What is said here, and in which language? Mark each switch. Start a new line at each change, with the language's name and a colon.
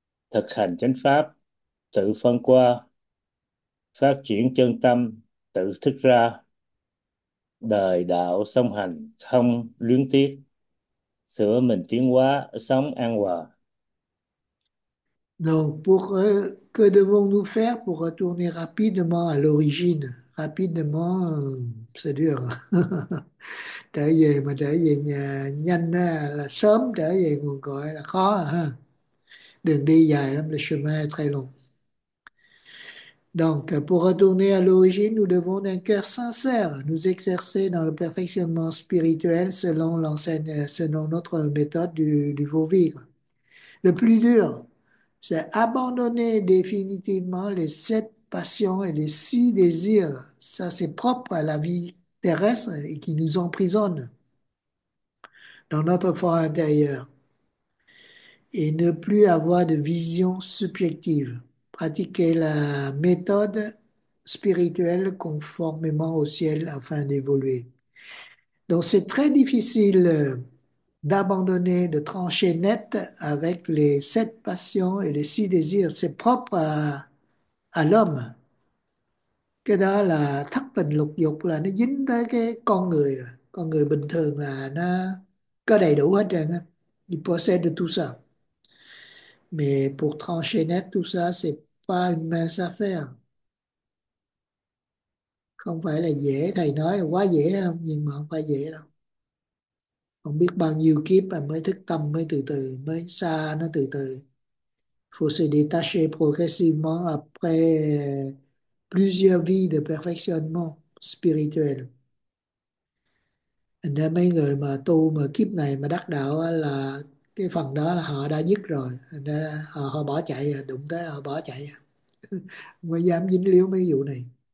Vietnamese: thực hành chánh pháp, tự phân qua phát triển chân tâm, tự thức ra đời đạo song hành không luyến tiếc, sửa mình tiến hóa sống an hòa.
French: Donc, que devons-nous faire pour retourner rapidement à l'origine? Rapidement, c'est dur.
Vietnamese: Trở về mà trở về nhà nhanh là sớm trở về nguồn cội là khó ha. Đường đi dài lắm,
French: le chemin est très long. Donc, pour retourner à l'origine, nous devons un cœur sincère, nous exercer dans le perfectionnement spirituel selon notre méthode du Vauvir. Le plus dur, c'est abandonner définitivement les sept passions et les six désirs. Ça, c'est propre à la vie terrestre et qui nous emprisonne dans notre fort intérieur. Et ne plus avoir de vision subjective. Pratiquer la méthode spirituelle conformément au ciel afin d'évoluer. Donc, c'est très difficile d'abandonner, de trancher net avec les sept passions et les six désirs. C'est propre à l'homme.
Vietnamese: Cái đó là thất tình lục dục, là nó dính tới cái con người rồi. Con người bình thường là nó có đầy đủ hết trơn á.
French: Il possède de tout ça. Mais pour trancher net tout ça, c'est pas une mince affaire.
Vietnamese: Không phải là dễ, thầy nói là quá dễ không? Nhưng mà không phải dễ đâu. Không biết bao nhiêu kiếp mà mới thức tâm, mới từ từ, mới xa nó từ từ.
French: Faut se détacher progressivement après plusieurs vies de perfectionnement spirituel.
Vietnamese: Nên mấy người mà tu mà kiếp này mà đắc đạo là cái phần đó là họ đã dứt rồi. Họ bỏ chạy, đụng tới họ bỏ chạy. Không có dám dính líu mấy vụ này.